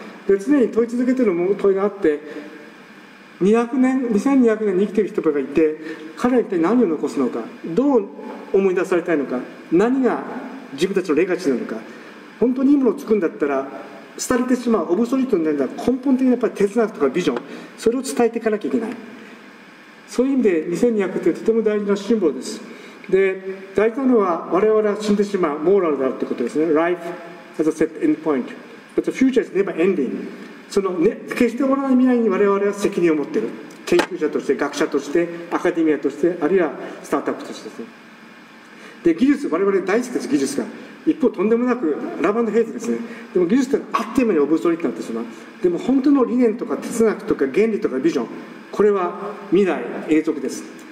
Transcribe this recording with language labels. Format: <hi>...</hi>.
<ja>で、常に問い続けてる問いがあって、200年、2200年に生きてる人がいて、彼は一体何を残すのか、どう思い出されたいのか、何が自分たちのレガシーなのか。本当にいいものを作るんだったら廃れてしまう、オブソリートになるんだ、根本的にやっぱり哲学とかビジョン、それを伝えていかなきゃいけない。そういう意味で2200ってとても大事なシンボルです。で、大事なのは我々は死んでしまうモーラルだということですね。</ja> <en>Life has a set end point, but the future is never ending.</en> <ja>その、ね、決して終わらない未来に我々は責任を持っている、研究者として、学者として、アカデミアとして、あるいはスタートアップとしてですね。で、技術、我々大好きです。技術が一方とんでもなくラブ&ヘイズですね。でも技術ってあっという間にオブソリートになってしまう。でも本当の理念とか哲学とか原理とかビジョン、これは未来永続です。</ja>